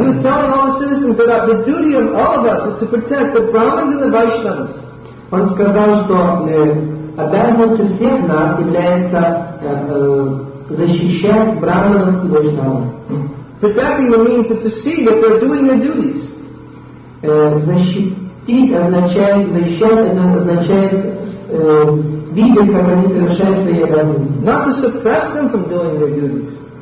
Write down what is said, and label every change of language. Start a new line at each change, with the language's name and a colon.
English: he was telling all the citizens that the duty of all of us is to protect the Brahmins and the Vaishnavas.
Russian: Он сказал, что обязанностью всех нас является защищать Брахманов и Вайшнавов.
English: Protecting them means to see that they're doing their duties.
Russian: Защищать означает видеть, как они совершают свои обязанности.
English: Not to suppress them from doing their duties.